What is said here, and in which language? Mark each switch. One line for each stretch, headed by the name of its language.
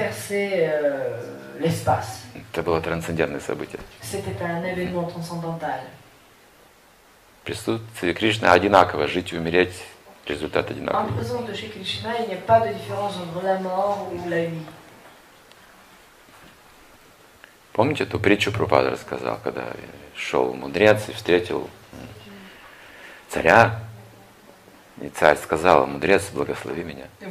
Russian: Это было трансцендентное событие.
French: C'était un événement transcendantal.
Russian: Присутствие Кришны одинаково, жить и умереть, результат одинаковый. Помните эту притчу Прабхупада рассказал, когда шел мудрец и встретил царя, и царь сказал, мудрец, благослови меня.